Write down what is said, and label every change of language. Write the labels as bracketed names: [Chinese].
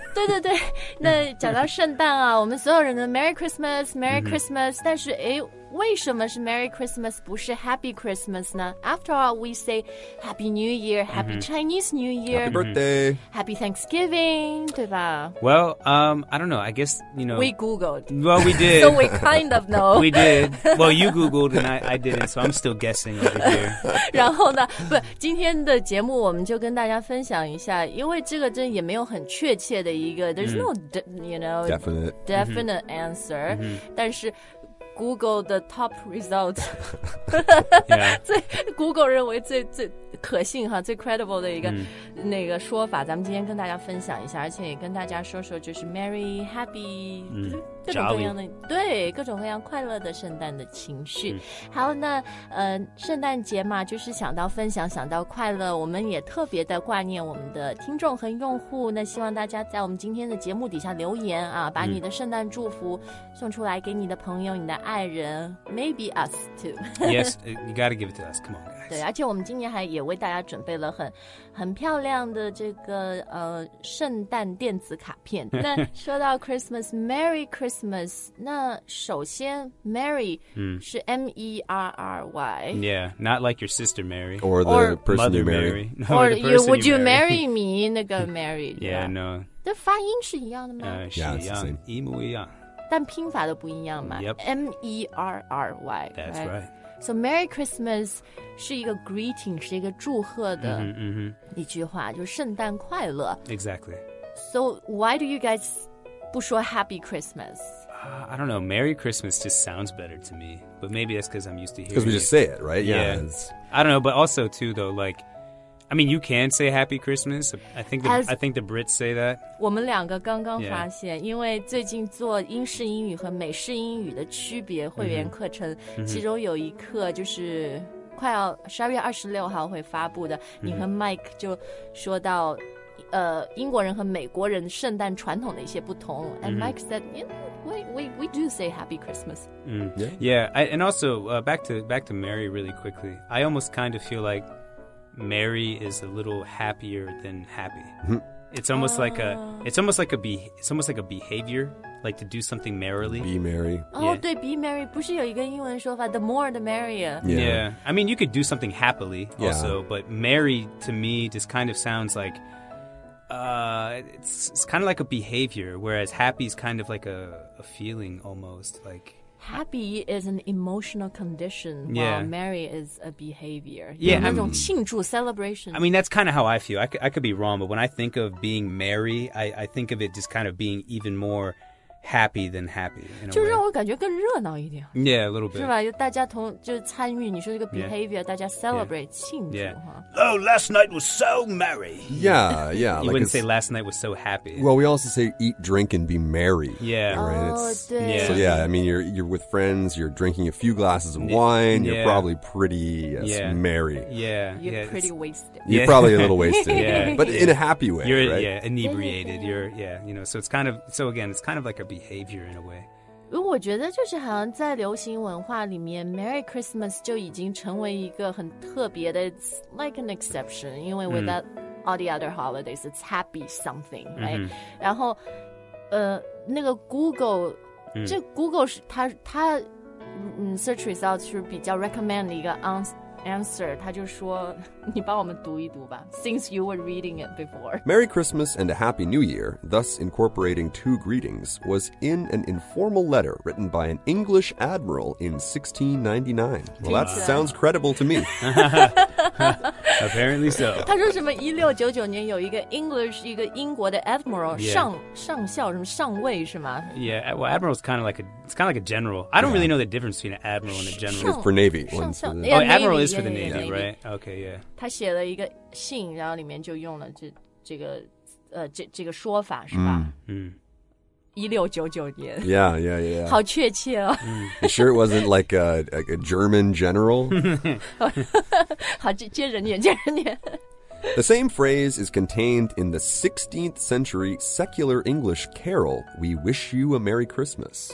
[Chinese] 对对对，那讲到圣诞啊，我们所有人的 [English] Merry Christmas, Merry Christmas,、 [Chinese] mm-hmm. 但是诶，为什么是 Merry Christmas 不是 Happy Christmas 呢？ [English] After all, we say Happy New Year, Happy、mm-hmm. Chinese New Year, Happy Birthday, Happy Thanksgiving, 对吧？ Well, I don't know, I guess, you know... We Googled. Well, we did. So we kind of know. We did. Well, you Googled and I didn't, so I'm still guessing over here. [Chinese] 然后呢，不，今天的节目我们就跟大家分享一下，因为这个真也没有很确切的一个 [English] There's、mm-hmm. no, you know... Definite、 mm-hmm. answer.、Mm-hmm. [Chinese] 但是 [English] Google the top result. [Chinese] Google 认为最可信哈，最 credible 的一个、mm. 那个说法，咱们今天跟大家分享一下，而且也跟大家说说，就是 Merry Happy、mm. 各种各样的、 [English] Jolly. [Chinese] 对各种各样快乐的圣诞的情绪。好、mm. ，那圣诞节嘛，就是想到分享，想到快乐，我们也特别的挂念我们的听众和用户。那希望大家在我们今天的节目底下留言啊，把你的圣诞祝福送出来给你的朋友、你的爱人 ， [English] Maybe us too. Yes, you gotta give it to us. Come on, guys. [Chinese] 对，而且我们今年还也为大家准备了很漂亮的这个圣诞电子卡片。那说到 Christmas, Merry Christmas, 那首先 Merry、mm. [English] 是 M-E-R-R-Y. Yeah, not like your sister Mary. Or the or person Mother you marry. Mary. No, or you, would you marry me, [Chinese] 那个 [English] Mary? Yeah, no. [Chinese] 这发音是一样的吗？是一样，一模一样。但拼法都不一样嘛。 [English] Yep. M-E-R-R-Y. That's right. [Chinese] So Merry Christmas 是一个 greeting, 是一个祝贺的一句话、 mm-hmm. 就是圣诞快乐。 [English] Exactly. So why do you guys [Chinese] 不说 [English] Happy Christmas?、 I don't know, Merry Christmas just sounds better to me. But maybe that's because I'm used to hearing it. Because we just say it, right? Yeah. Yeah. I don't know, but also too though, like, I mean, you can say Happy Christmas. I think the Brits say that. [Chinese] 我们两个刚刚发现、yeah. 因为最近做英式英语和美式英语的区别会员课程、mm-hmm. 其中有一课就是快要12月26号会发布的、mm-hmm. 你和 Mike 就说到英国人和美国人圣诞传统的一些不同、mm-hmm. [English] And Mike said, you know, we do say Happy Christmas.、 Mm-hmm. Yeah, yeah. And also,、back to Mary really quickly. I almost kind of feel like,Mary is a little happier than happy. It's almost like a, it's almost like a behavior, like to do something merrily. Be merry. Oh, yeah. 对 be merry. [Chinese] 不是有一个英文说法 [English] the more the merrier. Yeah. Yeah. I mean, you could do something happily also,、yeah. but merry to me just kind of sounds like, it's kind of like a behavior, whereas happy is kind of like a feeling almost like. Happy is an emotional condition, while、 yeah. merry is a behavior. Yeah, [Chinese] 那种庆祝 celebration. [English] I mean, that's kind of how I feel. I could be wrong, but when I think of being merry, I think of it just kind of being even more happy than happy. [Chinese] 就让我感觉更热闹一点。 [English] Yeah, a little bit. [Chinese] 是吧？就大家同就是参与。你说这个 behavior,、 [English] yeah. [Chinese] 大家 celebrate、 [English] yeah. [Chinese] 庆祝、 [English] yeah. Oh, last night was so merry. Yeah, yeah. You like wouldn't say last night was so happy. Well, we also say eat, drink, and be merry. Yeah. Right? Oh, 对。 So yeah, I mean, you're with friends, you're drinking a few glasses of wine, you're、 probably pretty、yes, yeah. merry. Yeah. You're pretty wasted. You're probably a little wasted. Yeah. But in a happy way, you're, right? Yeah, inebriated. You're, yeah, you know, so it's kind of, so again, it's kind of like a behavior in a way. [Chinese] 我觉得就是好像在流行文化里面 Merry Christmas 就已经成为一个很特别的 [English] It's like an exception, [Chinese] 因为 [English] without、 [Chinese] mm. [English] all the other holidays, it's happy something, right?、Mm-hmm. [Chinese] 然后那个 Google,、mm. 这 Google 是它 search results 是比较 recommend 的一个 answer, 他就说你帮我们读一读吧 [English] since you were reading it before. Merry Christmas and a Happy New Year, thus incorporating two greetings, was in an informal letter written by an English admiral in 1699. Well, that sounds credible to me. Apparently so. [Chinese] 他说什么1699年有一个 English, 一个英国的 admiral,、 [English] yeah. [Chinese] 上校什么上尉是吗 [English] Yeah, well, admiral is kind of like a general. I don't、 yeah. really know the difference between an admiral and a general. It's for Navy. Admiral is for the Navy, right? Okay, yeah. [Chinese] 他写了一个信，然后里面就用了这个说法，是吧？嗯， 1699年。 [English] Yeah, yeah, yeah. [Chinese] 好确切哦。 [English] You sure it wasn't like a German general? [Chinese] 好，接着念，接着念。 [English] The same phrase is contained in the 16th century secular English carol, We Wish You a Merry Christmas.